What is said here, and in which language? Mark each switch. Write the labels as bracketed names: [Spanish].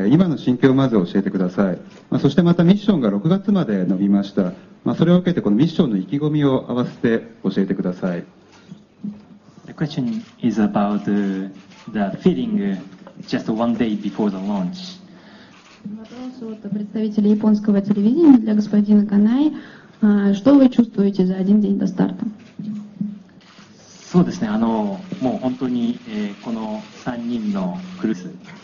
[Japanese] 今の心境をまず教えてください。まあ、そしてまたミッションが6月まで伸びました。まあ、それを受けてこのミッションの意気込みを合わせて教えてください。 [English] The question is about the feeling just one day before the launch. [Russian] Вопрос от представителя японского телевидения для господина Канаи. Что вы чувствуете за один день до старта? [Japanese] そうですね。もう本当にこの3人のクルーズ。